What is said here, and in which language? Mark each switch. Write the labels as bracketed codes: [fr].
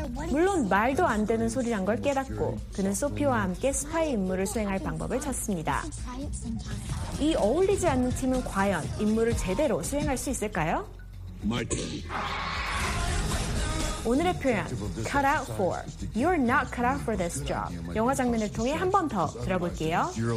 [ko] 물론 말도 안 되는 소리란 걸 깨닫고 그는 소피와 함께 스파이 임무를 수행할 방법을 찾습니다. 이 어울리지 않는 팀은 과연 임무를 제대로 수행할 수 있을까요? 오늘의 표현, [en] cut out for. You're not cut out for this job. [ko] 영화 장면을 통해 한 번 더 들어볼게요.